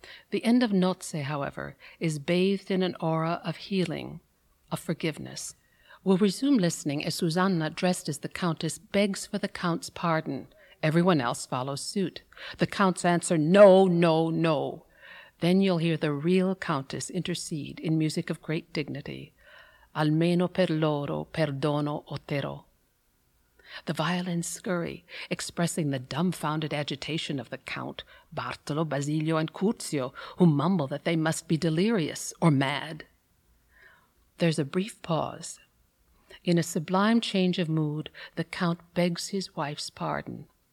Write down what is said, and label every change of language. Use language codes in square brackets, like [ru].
[en] The end of Nozze, however, is bathed in an aura of healing, of forgiveness. We'll resume listening as Susanna, dressed as the Countess, begs for the Count's pardon. Everyone else follows suit. The Count's answer, "No, no, no." Then you'll hear the real Countess intercede in music of great dignity. [it] Almeno per loro perdono otterò. [en] The violins scurry, expressing the dumbfounded agitation of the Count, Bartolo, Basilio, and Curzio, who mumble that they must be delirious or mad. There's a brief pause. In a sublime change of mood, the Count begs his wife's pardon.